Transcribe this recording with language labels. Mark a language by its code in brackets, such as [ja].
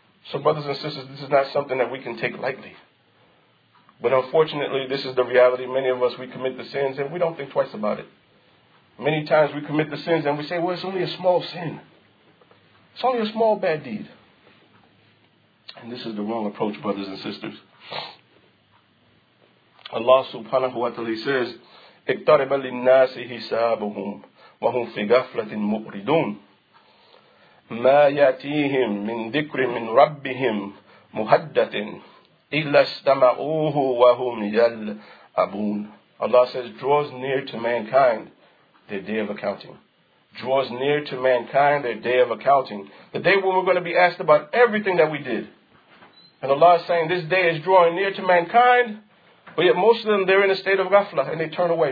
[en] So brothers and sisters, this is not something that we can take lightly. But unfortunately, this is the reality. Many of us, we commit the sins and we don't think twice about it. Many times we commit the sins and we say, well, it's only a small sin. It's only a small bad deed. And this is the wrong approach, brothers and sisters. Allah subhanahu wa ta'ala says, [ar] اِقْتَرِبَ لِلنَّاسِ حِسَابُهُمْ وَهُمْ فِي غَفْلَةٍ مُؤْرِدُونَ مَا يَأْتِيهِمْ مِنْ ذِكْرِ مِنْ رَبِّهِمْ مُحَدَّةٍ إِلَّا اسْتَمَعُوهُ وَهُمْ يَلْعَبُونَ. [en] Allah says, draws near to mankind their day of accounting. Draws near to mankind their day of accounting. The day when we're going to be asked about everything that we did. And Allah is saying, this day is drawing near to mankind, but yet most of them, they're in a state of ghafla, and they turn away.